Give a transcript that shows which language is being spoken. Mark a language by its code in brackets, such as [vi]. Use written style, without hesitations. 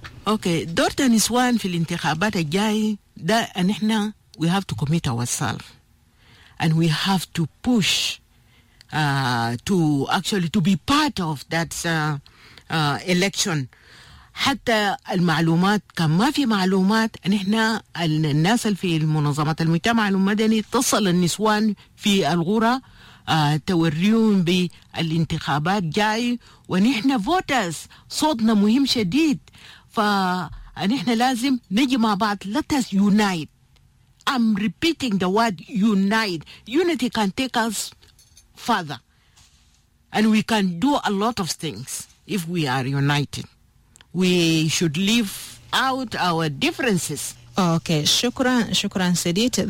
[en] Okay, [ar] Dorta Nuswan Fi Intikabat Al Jai, [en] that and now we have to commit ourselves, and we have to push to be part of that election. [ar] حتى المعلومات كان ما في معلومات نحن الناس في المنظمات المجتمع المدني تصل النسوان في الغرة توريهم بالانتخابات جاي ونحن فوترز صوتنا مهم شديد فنحن لازم نجي مع بعض [en] let us unite. I'm repeating the word unite. Unity can take us further and we can do a lot of things if we are united. We should leave out our differences. Okay, shukran Sidit.